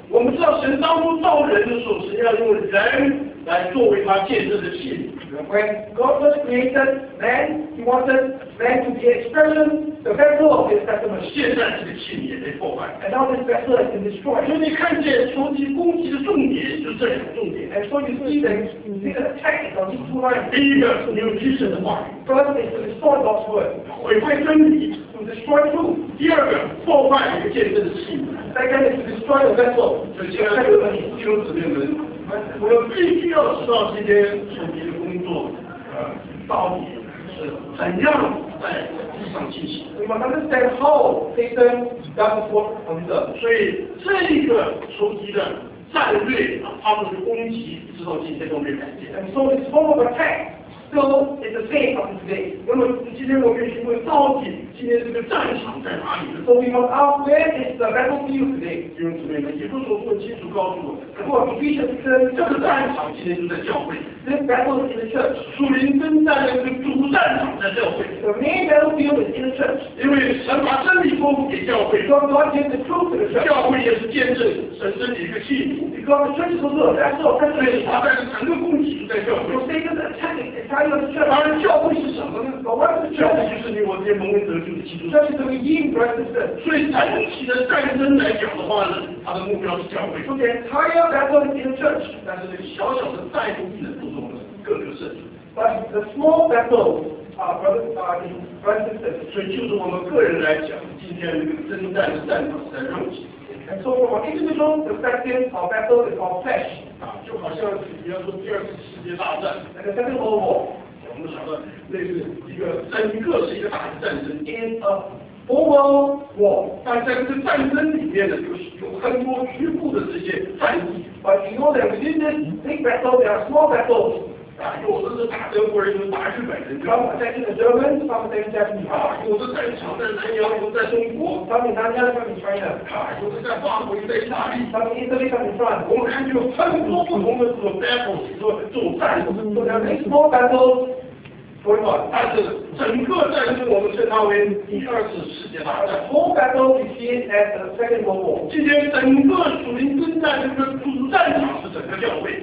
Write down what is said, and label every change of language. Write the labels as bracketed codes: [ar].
[zh] 我们知道神当初造人的时候，神要用人来作为他见证的器皿。 [en] When God was created, man, he wanted man to be expression, the vessel of his testimony. [zh] 现在这个器皿也被破坏。 [en] And now this vessel has been destroyed. [zh] 所以你看见仇敌攻击的重点就是这两个重点。 [en] And so you see that this attack is on these two lines. [zh] 第一个是扭曲神的话语。 [en] First is to destroy God's word. [zh] 毁坏真理。 [en] To destroy truth. [zh] 第二个破坏一个见证的器皿。 [en] Second is to destroy the vessel. [zh] 所以现在弟兄姊妹们，我们必须要知道这些仇敌的工作，到底是怎样在地上进行。 [en] We must understand how Satan does work on the. [zh] 所以这个仇敌的战略啊，他们的攻击直到今天都没改变。 [en] And so this form of attack still is the same from today. [zh] 那么今天我们询问到底今天这个战场在哪里 [en] ？So we must ask where is the battlefield today? [zh] 弟兄姊妹们，也就是说，清楚告诉我，如果你必须是这个战场今天就在教会。 [en] This battle is in the church. [zh] 属灵征战的这个主战场在教会。 [en] The main battlefield is in the church. [zh] 因为神把真理托付给教会。 [en] God gave the truth to the church. [zh] 教会也是见证神真理的器皿。 [en] Because the church is the vessel. [zh] 所以他在整个供给在教会。 [en] So Satan is attacking it. [zh] 当然，教会是什么呢？我们的教会就是你我这些蒙恩得救的基督徒。这是这个应许之子。所以整体的战争来讲的话呢，它的目标是教会。 [en] So the entire battle is in the church. [zh] 但是这个小小的战斗力的注重呢，各个圣徒。 [en] But the small battle, brothers, [zh] 所以就是我们个人来讲，今天这个征战的战场是在肉体。 [en] And so from our individual perspective, our battle is our flesh. [zh] 啊，就好像你要说第二次世界大战。 [en] And the Second World War. [zh] 我们想到，那是一个战争，是一个大的战争。 [en] In a formal war， [zh] 但在这个战争里面呢，有很多局部的这些战役。 [en] But you know that within this big battle, there are small battles. [zh] 啊，有的是打德国人，有的打日本人。 [en] Some attack in the Germans, some attack in Japan. [zh] 啊，有的战场在南洋，有的在中国。 [en] Some in 南洋 ，some in China. [zh] 啊，有的在法国，有的在意大利。 [en] Some in Italy, some in France. [zh] 我们看见有很多不同的这种 battles， 说这种战斗。 [en] So there are many small battles. Going on. [zh] 但是整个战争我们称它为第二次世界大战。 [en] The whole battle we see it as the Second World War. [zh] 今天整个属灵征战这个主战场是整个教会。